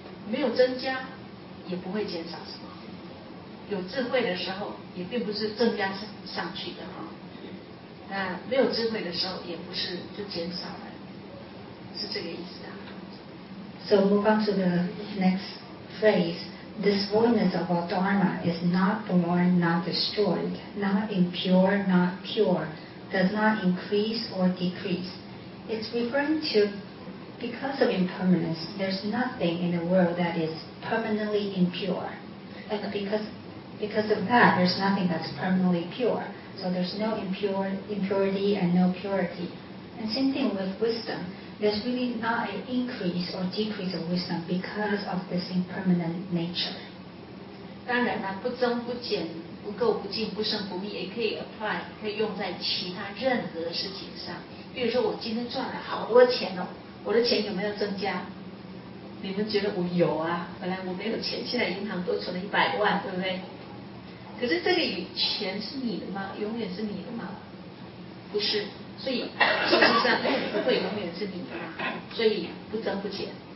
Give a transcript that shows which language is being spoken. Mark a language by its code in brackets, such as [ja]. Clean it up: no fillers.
[zh] 没有增加，也不会减少什么。有智慧的时候，也并不是增加上去的哈。那没有智慧的时候，也不是就减少了，是这个意思啊。 [en] So move on to the next phrase. This voidness of all dharma is not born, not destroyed, not impure, not pure, does not increase or decrease. It's referring to, because of impermanence, there's nothing in the world that is permanently impure. And because of that, there's nothing that's permanently pure. So there's no impurity and no purity. And same thing with wisdom. There's really not an increase or decrease of wisdom because of this impermanent nature. [zh] 当然不增不减不垢不净不生不灭也可以 apply 可以用在其他任何事情上比如说我今天赚了好多钱哦我的钱有没有增加你们觉得我有啊本来我没有钱现在银行多存了100万对不对可是这个钱是你的吗永远是你的吗不是所以事实上不会永远是你的所以不增不减